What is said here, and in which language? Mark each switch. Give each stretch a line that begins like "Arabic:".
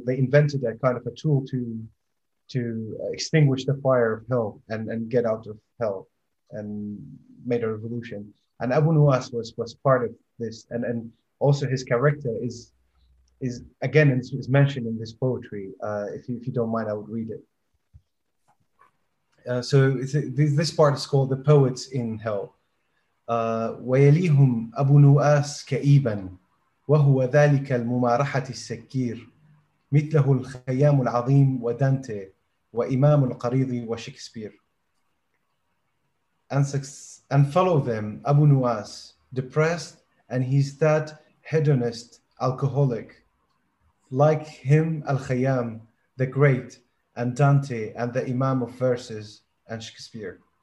English: They invented a kind of a tool to extinguish the fire of hell and get out of hell, and made a revolution. And Abu Nuwas was part of this, and also his character is again is mentioned in this poetry. If you don't mind, I would read it. So this part is called The Poets in Hell.
Arabic: ويليهم أبو نواس كئيبا وهو ذلك الممارحة السكير مثله الخيام العظيم ودانتي وإمام القريض وشكسبير.
English: And follow them Abu Nuwas, depressed, and he's that hedonist alcoholic. Like him, Al Khayyam, the great, and Dante, and the Imam of Verses, and Shakespeare.